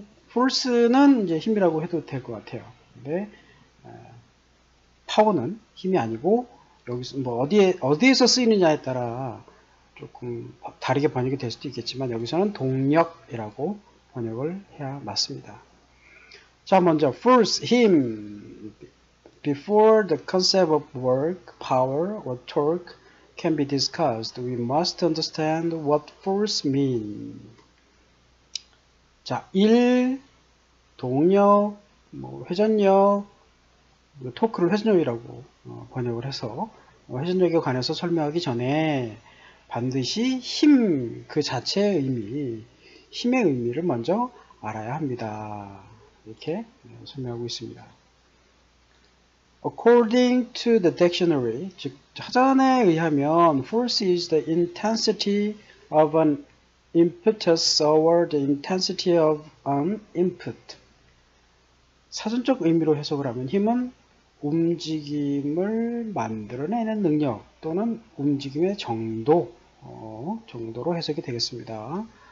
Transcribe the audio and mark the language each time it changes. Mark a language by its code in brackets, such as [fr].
[ko] force는 이제 힘이라고 해도 될것 같아요. 근데 power는 힘이 아니고 여기서 뭐 어디에서 쓰이느냐에 따라 조금 다르게 번역이 될 수도 있겠지만 여기서는 동력이라고 번역을 해야 맞습니다. 자, 먼저 force, 힘. [en] Before the concept of work, power, or torque can be discussed, we must understand what force means. [ko] 자, 1, 동력, 뭐 회전력, 토크를 회전력이라고 번역을 해서 회전력에 관해서 설명하기 전에 반드시 힘, 그 자체의 의미, 힘의 의미를 먼저 알아야 합니다. 이렇게 설명하고 있습니다. [en] According to the dictionary, [ko] 즉 사전에 의하면 [en] force is the intensity of an impetus or the intensity of an input. [ko] 사전적 의미로 해석을 하면 힘은 움직임을 만들어내는 능력 또는 움직임의 정도로 해석이 되겠습니다.